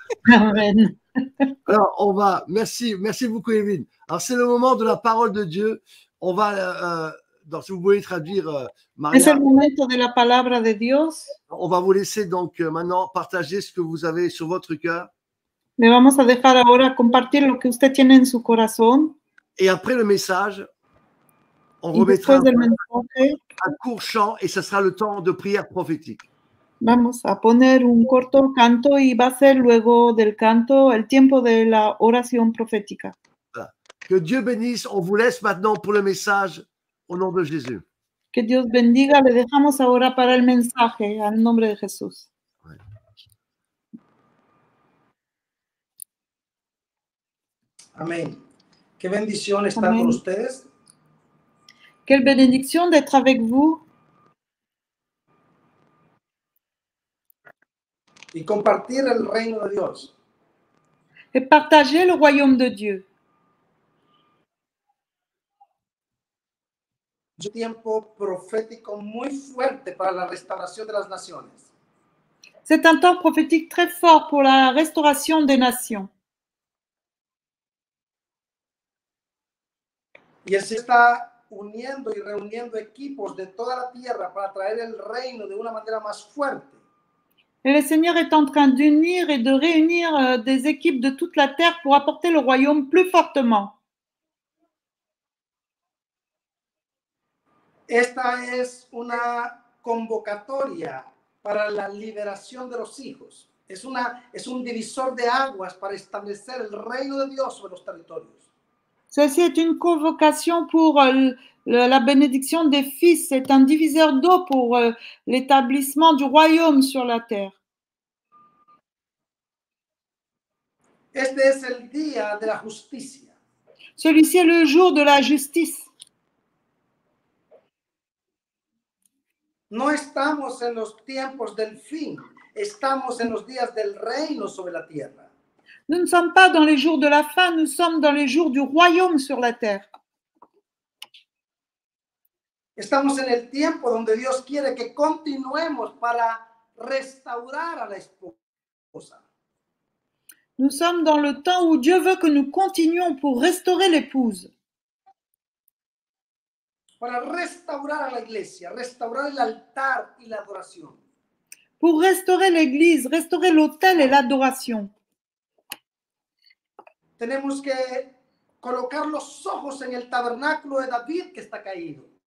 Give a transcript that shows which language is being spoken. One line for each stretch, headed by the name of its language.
French: Amen. Alors, on va. Merci, merci beaucoup, Evine. Alors, c'est le moment de la parole de Dieu. On va. Donc, si vous voulez traduire, Maria. C'est le moment de la parole de Dios. On va vous laisser donc maintenant partager ce que vous avez sur votre cœur.
Spanish: Le vamos a dejar ahora compartir lo que usted tiene en su corazón.
French: Et après le message, on remettra un court chant et ce sera le temps de prière prophétique.
Spanish: Vamos a poner un corto canto y va a ser luego del canto el tiempo de la oración profética. Que Dios bendice.
French: On vous laisse maintenant pour le message au nom de Jésus.
Spanish: Que Dios bendiga. Le dejamos ahora para el mensaje al nombre de Jesús. Amén. Qué bendición estar con ustedes.
French: Quelle bénédiction d'être avec vous.
Spanish: Y compartir el reino de Dios.
French: Et partager le royaume de Dieu.
Spanish: Un tiempo profético muy fuerte para la restauración de las naciones.
French: C'est un temps prophétique très fort pour la restauration des nations.
Spanish: Y así está uniendo y reuniendo equipos de toda la tierra para traer el reino de una manera más fuerte.
French: Et le Seigneur est en train d'unir et de réunir des équipes de toute la terre pour apporter le royaume plus fortement.
Spanish: Esta es una convocatoria para la liberación de los hijos. Es un divisor de aguas para establecer el reino de Dios sobre los territorios.
French: Ceci est une convocation pour la bénédiction des fils. C'est un diviseur d'eau pour l'établissement du royaume sur la terre.
Spanish: Este es el día de la justicia.
French: Celui-ci est le jour de la justice.
Spanish: No estamos en los tiempos del fin. Estamos en los días del reino sobre la tierra.
French: Nous ne sommes pas dans les jours de la fin, nous sommes dans les jours du royaume sur la terre.
Spanish: Estamos en el tiempo donde Dios quiere que continuemos para restaurar a la esposa.
French: Nous sommes dans le temps où Dieu veut que nous continuions pour restaurer l'épouse.
Spanish: Para restaurar a la iglesia, restaurar el altar y la adoración.
French: Pour restaurer l'église, restaurer l'autel et l'adoration.
Spanish: Tenemos que colocar los ojos en el tabernáculo de David que está caído.